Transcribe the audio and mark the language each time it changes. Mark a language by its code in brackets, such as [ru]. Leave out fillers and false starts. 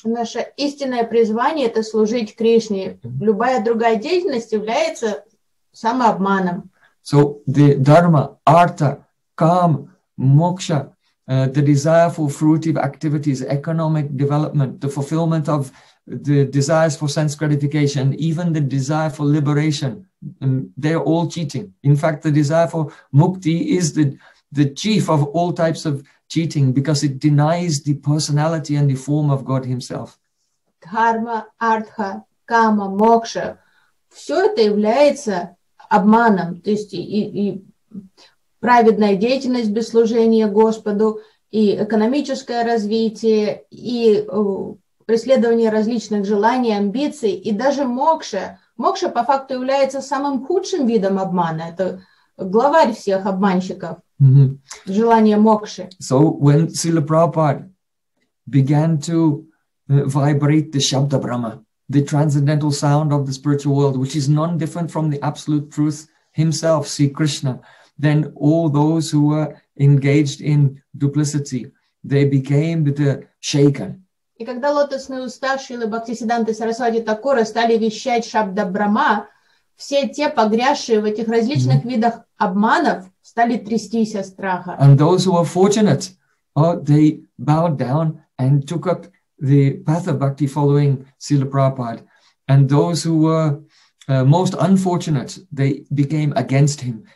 [ru] Наше истинное призвание – это служить Кришне. Любая другая деятельность является самообманом. [en] So the dharma, artha, kama, moksha, the desire for fruitive activities, economic development, the fulfillment of the desires for sense gratification, even the desire for liberation, they are all cheating. In fact, the desire for mukti is the chief of all types of cheating because it denies the personality and the form of God Himself. [ru] Dharma, artha, kama, moksha, все это является обманом. То есть и праведная деятельность без служения Господу, и экономическое развитие, и преследование различных желаний, амбиций, и даже мокша. Мокша, по факту, является самым худшим видом обмана. Это главарь всех обманщиков. Mm-hmm. Желание мокши. [en] So, when Srila Prabhupada began to vibrate the Shabda Brahma, the transcendental sound of the spiritual world, which is none different from the absolute truth himself, Sri Krishna, then all those who were engaged in duplicity, they became the shaken. [ru] И когда лотосные уста Шрилы Бхактисиддханты Сарасвати Такура стали вещать Шабда Брама, все те, погрязшие в этих различных видах обманов, стали трястись от страха. [en] And those who were fortunate, they bowed down and took up the path of bhakti following Srila Prabhupada. And those who were most unfortunate, they became against him.